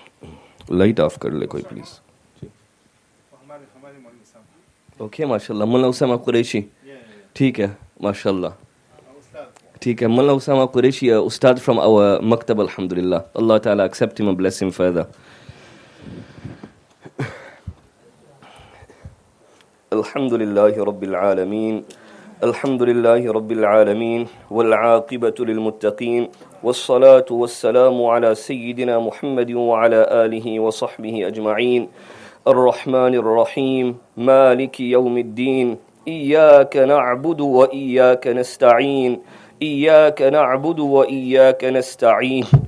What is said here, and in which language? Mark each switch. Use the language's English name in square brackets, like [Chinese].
[English] 07443-045-107. Light off, Karle, please. Okay, mashallah. Mulla Usama Qureshi. [Urdu] ٹھیک ہے, ماشاءاللہ. ٹھیک ہے. [English] Mulla Usama Qureshi, Ustad from our maktab, alhamdulillah. Allah Ta'ala accept him and bless him further. [Arabic] الحمد لله رب العالمين الحمد لله رب العالمين والعاقبة للمتقين والصلاة والسلام على سيدنا محمد وعلى آله وصحبه أجمعين الرحمن الرحيم مالك يوم الدين إياك نعبد وإياك نستعين إياك نعبد وإياك نستعين